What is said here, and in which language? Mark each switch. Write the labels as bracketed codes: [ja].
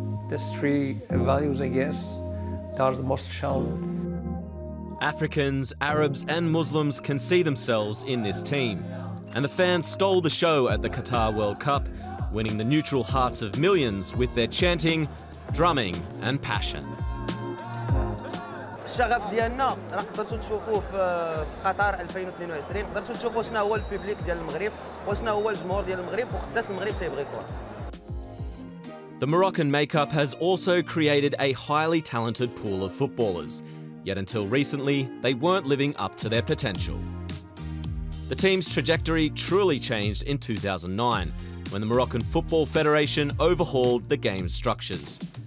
[en] These three values, I guess, that are the most shown. Africans, Arabs and Muslims can see themselves in this team. And the fans stole the show at the Qatar World Cup, winning the neutral hearts of millions with their chanting, drumming and passion. [ar] الشغف ديالنا راه قدرتوا تشوفوه في قطر 2022، قدرتوا تشوفوا شنو هو البوبليك ديال المغرب وشنو هو الجمهور ديال المغرب وقداش المغرب تيبغي الكره. [en] The Moroccan makeup has also created a highly talented pool of footballers, yet until recently they weren't living up to their potential. The team's trajectory truly changed in 2009. When the Moroccan Football Federation overhauled the game's structures.